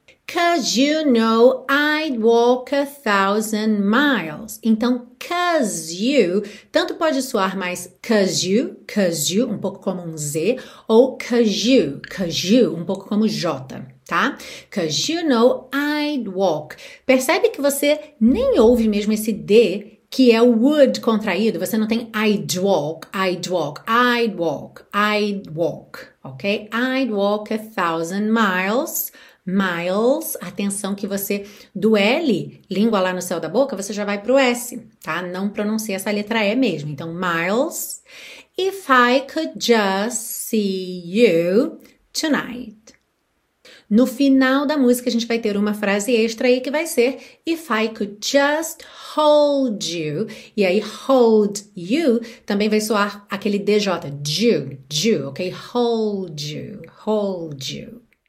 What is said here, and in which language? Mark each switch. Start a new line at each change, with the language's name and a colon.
English: 'Cause you know I'd walk 1,000 miles.
Portuguese: Então, 'cause you, tanto pode soar mais 'cause you, um pouco como um Z, ou 'cause you, um pouco como J, tá?
English: 'Cause you know I'd walk.
Portuguese: Percebe que você nem ouve mesmo esse D, que é o would contraído, você não tem
English: I'd walk, I'd walk, I'd walk, I'd walk,
Portuguese: ok?
English: I'd walk 1,000 miles.
Portuguese: Miles, atenção que você, do L, língua lá no céu da boca, você já vai pro S, tá? Não pronuncia essa letra E mesmo. Então, miles.
English: If I could just see you tonight.
Portuguese: No final da música, a gente vai ter uma frase extra aí que vai ser
English: If I could just hold you.
Portuguese: E aí,
English: hold you,
Portuguese: também vai soar aquele DJ. You, ok?
English: Hold you, hold you.